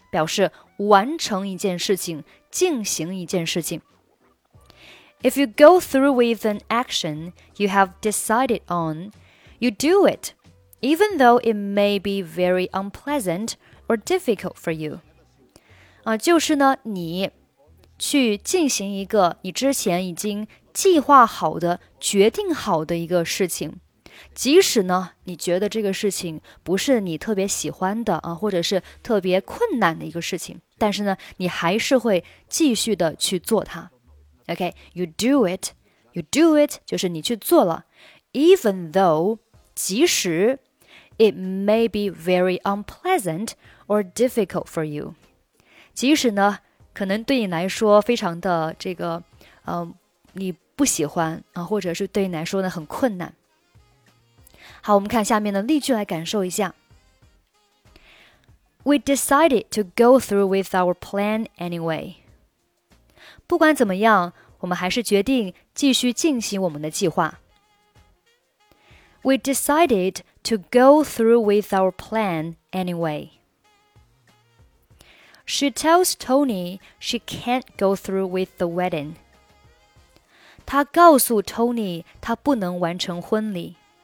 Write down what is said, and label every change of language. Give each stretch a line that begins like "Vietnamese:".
Chinese: 表示完成一件事情，进行一件事情。
English: If you go through with an action you have decided on, you do it, even though it may be very unpleasant or difficult for you.
Chinese: 就是呢，你去进行一个你之前已经计划好的、决定好的一个事情，即使呢，你觉得这个事情不是你特别喜欢的啊，或者是特别困难的一个事情，但是呢，你还是会继续的去做它。
English: Okay, you do it,
Chinese: 就是你去做了。
English: Even though,
Chinese: 即使
English: it may be very unpleasant or difficult for you.
Chinese: 即使呢，可能对你来说非常的这个，你不喜欢啊，或者是对你来说呢很困难。好，我们看下面的例句来感受一下。
English: We decided to go through with our plan anyway. 不管怎么样，我们还是决定继续进行我们的计划。 We decided to go through with our plan anyway. She tells Tony she can't go through with the wedding.
Chinese: 她告诉 Tony 她不能完成婚礼。